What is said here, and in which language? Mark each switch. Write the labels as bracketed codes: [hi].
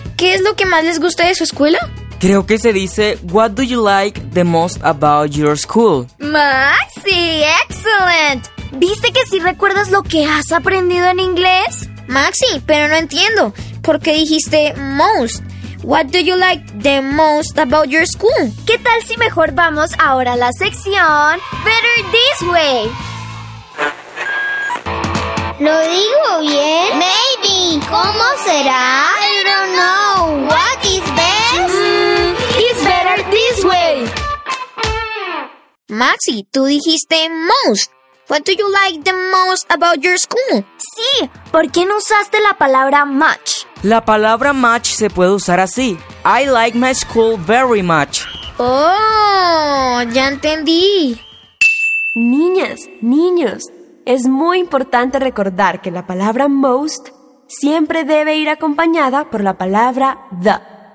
[es] ¿Qué es lo que más les gusta de su escuela? Creo que se dice, [en] what do you like the most about your school? ¡Maxi! ¡Excellent! [es] ¿Viste que sí recuerdas lo que has aprendido en inglés? Maxi, pero no entiendo, ¿por qué dijiste most? [en] What do you like the most about your school? [es] ¿Qué tal si mejor vamos ahora a la sección Better This Way? ¿Lo digo bien? [en] Maybe. ¿Cómo será? I don't know. What is best? It's better this way. [es] Maxi, tú dijiste most. [en] What do you like the most about your school? [es] Sí, ¿por qué no usaste la palabra much? La palabra much se puede usar así. [en] I like my school very much. [es] Oh, ya entendí. Niñas, niños, es muy importante recordar que la palabra most siempre debe ir acompañada por la palabra the.